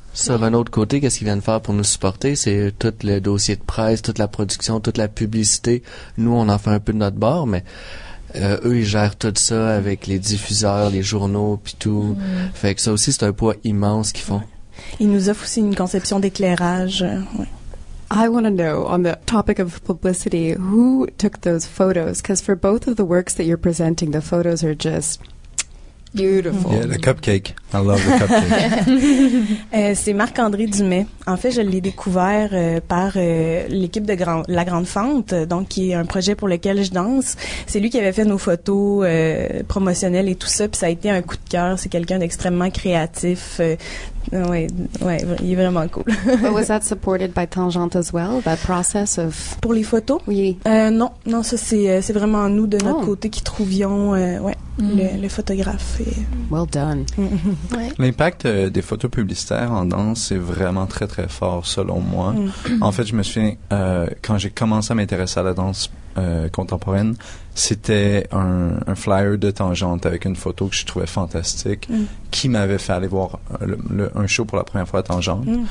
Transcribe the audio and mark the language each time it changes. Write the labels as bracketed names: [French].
[French] Sur un autre côté, qu'est-ce qu'ils viennent faire pour nous supporter? C'est tout le dossier de presse, toute la production, toute la publicité. Nous, on en fait un peu de notre bord, mais eux, ils gèrent tout ça avec les diffuseurs, les journaux, puis tout. Mmh. Fait que ça aussi, c'est un poids immense qu'ils font. Ils nous offrent aussi une conception d'éclairage. [English] I want to know, on the topic of publicity, who took those photos? Because for both of the works that you're presenting, the photos are just... Beautiful. Yeah, the cupcake. I love the cupcake. [French] C'est Marc-André Dumais. En fait, je l'ai découvert par l'équipe de La Grande Fente, donc qui est un projet pour lequel je danse. C'est lui qui avait fait nos photos promotionnelles et tout ça, puis ça a été un coup de cœur. C'est quelqu'un d'extrêmement créatif. Ouais, il est vraiment cool. [English] But was that supported by Tangente as well, that process of... [French] Pour les photos? Oui. Non, ça c'est vraiment nous de notre côté qui trouvions le photographe. Et... [English] Well done. [French] L'impact des photos publicitaires en danse est vraiment très très fort selon moi. En fait, je me souviens, quand j'ai commencé à m'intéresser à la danse contemporaine, c'était un flyer de Tangente avec une photo que je trouvais fantastique qui m'avait fait aller voir un show pour la première fois à Tangente.